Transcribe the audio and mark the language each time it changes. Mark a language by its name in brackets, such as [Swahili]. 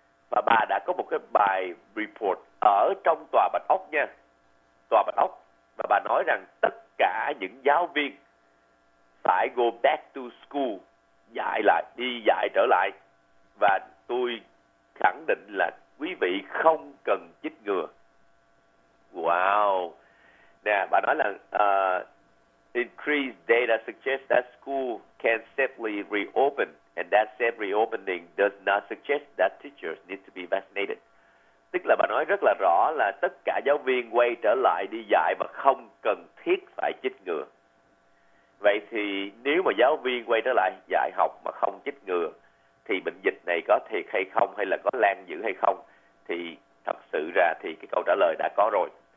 [Vietnamese] Và bà đã có một cái bài report ở trong tòa Bạch Ốc nha, tòa Bạch Ốc, và bà nói rằng tất cả những giáo viên phải [English] go back to school, [Vietnamese] dạy lại, đi dạy trở lại. Và tôi khẳng định là quý vị không cần chích ngừa. Wow. Nè, bà nói là [English] increased data suggests that school can safely reopen, and that safe reopening does not suggest that teachers need to be vaccinated. [Vietnamese] Tức là bà nói rất là rõ là tất cả giáo viên quay trở lại đi dạy mà không cần thiết phải chích ngừa. Vậy thì nếu mà giáo viên quay trở lại dạy học mà không chích ngừa thì bệnh dịch này có thiệt hay không, hay là có lan dữ hay không, thì thật sự ra thì cái câu trả lời đã có rồi.